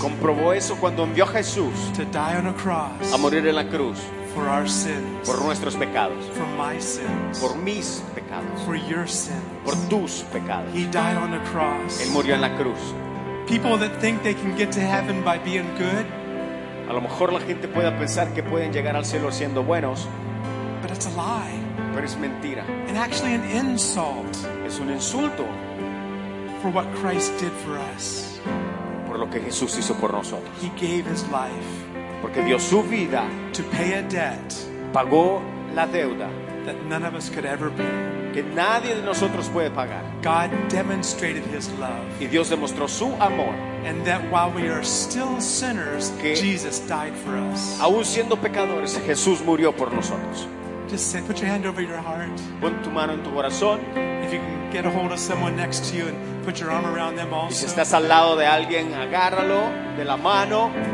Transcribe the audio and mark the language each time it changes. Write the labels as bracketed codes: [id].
[es] Comprobó eso cuando envió a Jesús. [en] To die on a cross. [es] A morir en la cruz. [en] For our sins. [es] Por nuestros pecados. [en] For my sins. [es] Por mis pecados. [en] For your sins. [es] Por tus pecados. [en] He died on a cross. [es] Él murió en la cruz. [en] People that think they can get to heaven by being good. [es] A lo mejor la gente pueda pensar que pueden llegar al cielo siendo buenos. [en] But it's a lie. [es] Pero es mentira. [en] And actually an insult. [es] Es un insulto. [en] For what Christ did for us. [es] Por lo que Jesús hizo por nosotros. [en] He gave his life. [es] Porque dio su vida. [en] To pay a debt. [es] Pagó la deuda. [en] That none of us could ever pay. [es] Que nadie de nosotros puede pagar. [en] God demonstrated his love. [es] Y Dios demostró su amor. [en] And that while we are still sinners, [es] que [en] Jesus died for us. [es] Aún siendo pecadores, Jesús murió por nosotros. [en] Just say, put your hand over your heart. [es] Pon tu mano en tu corazón. [en] If you can get a hold of someone next to you and put your arm around them also. [es] Y si estás al lado de alguien, agárralo de la mano.